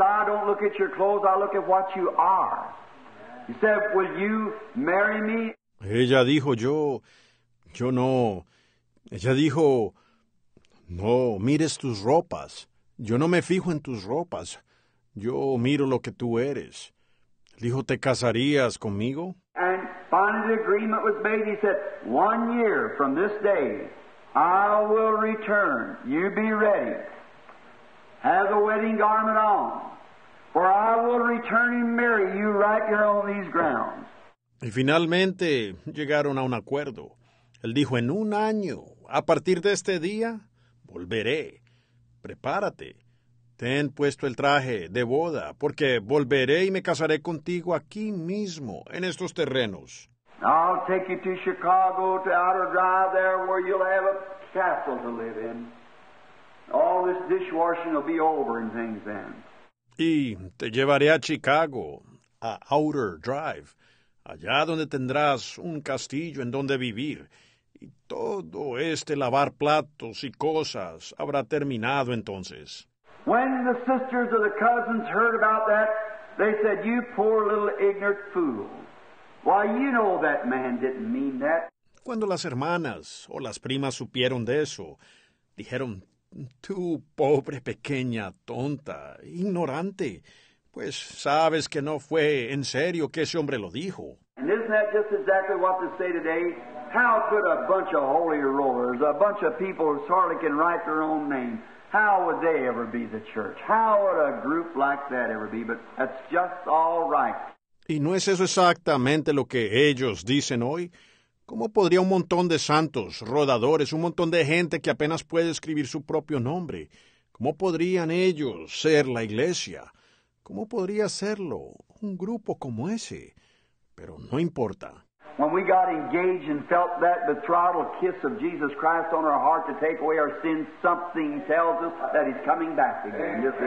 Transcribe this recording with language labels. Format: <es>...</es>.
<en>I don't look at your clothes. I look at what you are. She said, will you marry me?</en> <es>Ella dijo, yo no. Ella dijo, no, mires tus ropas. Yo no me fijo en tus ropas. Yo miro lo que tú eres. Él dijo, ¿te casarías conmigo?</es> <en>And finally the agreement was made. He said, 1 year from this day, I will return. You be ready. Have the wedding garment on. For I will return and marry you right here on these grounds.</en> <es>Y finalmente llegaron a un acuerdo. Él dijo, en un año, a partir de este día, volveré. Prepárate. Ten puesto el traje de boda, porque volveré y me casaré contigo aquí mismo, en estos terrenos.</es> <en>I'll take you to Chicago, to Outer Drive there, where you'll have a castle to live in. All this dishwashing will be over and things then.</en> <es>Y te llevaré a Chicago, a Outer Drive, allá donde tendrás un castillo en donde vivir. Y todo este lavar platos y cosas habrá terminado entonces.</es> <en>When the sisters or the cousins heard about that, they said, you poor little ignorant fool. Why, you know that man didn't mean that.</en> <es>Cuando las hermanas o las primas supieron de eso, dijeron, tú pobre pequeña tonta, ignorante, pues sabes que no fue en serio que ese hombre lo dijo.</es> <en>And isn't that just exactly what they say today? How could a bunch of holy rollers, a bunch of people who hardly can write their own name, how would they ever be the church? How would a group like that ever be? But that's just all right.</en> <es>¿Y no es eso exactamente lo que ellos dicen hoy? ¿Cómo podría un montón de santos, rodadores, un montón de gente que apenas puede escribir su propio nombre, cómo podrían ellos ser la iglesia? ¿Cómo podría serlo un grupo como ese? Pero no importa.</es> <en>When we got engaged and felt that betrothal kiss of Jesus Christ on our heart to take away our sins, something tells us that He's coming back again.</en>